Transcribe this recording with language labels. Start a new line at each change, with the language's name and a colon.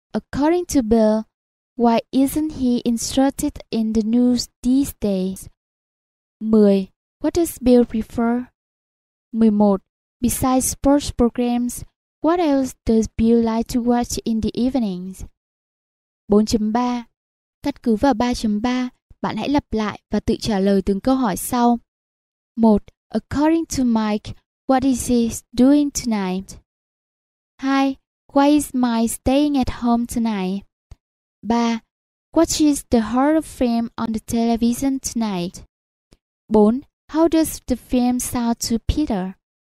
English: According to Bill, why isn't he interested in the news these days? 10. What does Bill prefer? 11. Besides sports programs, what else does Bill like to watch in the evenings? 4.3.
Vietnamese: Căn cứ vào 3.3, bạn hãy lặp lại và tự trả lời từng câu hỏi sau. 1.
English: According to Mike, what is he doing tonight? 2. Why is my staying at home tonight? 3. What is the horror film on the television tonight? 4. How does the film sound to Peter?